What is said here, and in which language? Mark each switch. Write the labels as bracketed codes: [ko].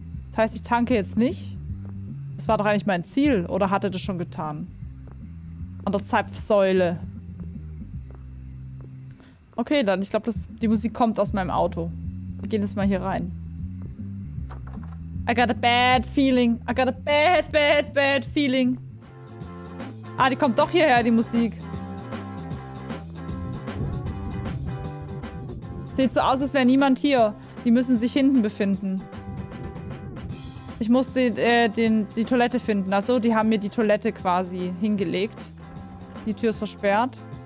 [de] Das heißt, ich tanke jetzt nicht. Das war doch eigentlich mein Ziel. Oder hatte das schon getan? An der Zapfsäule. Okay, dann. Ich glaube, die Musik kommt aus meinem Auto. Wir gehen jetzt mal hier rein. [en] I got a bad feeling. I got a bad, bad, bad feeling. [de] Ah, die kommt doch hierher, die Musik. Sieht so aus, als wäre niemand hier. Die müssen sich hinten befinden. Ich muss die Toilette finden. Achso, die haben mir die Toilette quasi hingelegt. Die Tür ist versperrt.